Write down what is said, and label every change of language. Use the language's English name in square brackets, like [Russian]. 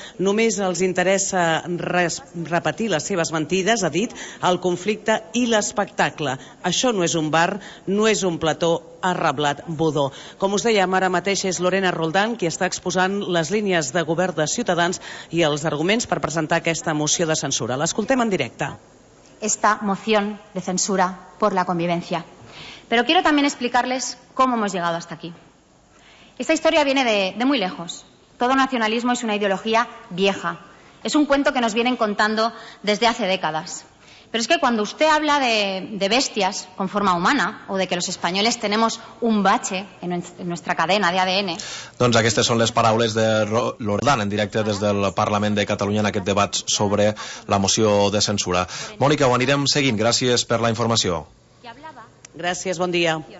[Catalan] Només els interessa repetir les seves mentides, ha dit, el conflicte i l'espectacle. Això no és un bar, no és un plató, ha reblat Budó. Com us dèiem, ara mateix és Lorena Roldán qui està exposant les línies de govern de Ciutadans i els arguments per presentar aquesta moció de censura. L'escoltem en directe. [Spanish] Esta moción de censura por la convivencia. Pero quiero también explicarles cómo hemos llegado hasta aquí. Esta historia viene de muy lejos. Todo nacionalismo es una ideología vieja. Es un cuento que nos vienen contando desde hace décadas. Pero es que cuando usted habla de bestias con forma humana o de que los españoles tenemos un bache en nuestra cadena de ADN... [Catalan] Doncs aquestes són les paraules de Roldán en directe des del Parlament de Catalunya en aquest debat sobre la moció de censura. Mònica, ho anirem seguint. Gràcies per la informació. Gràcies, bon dia.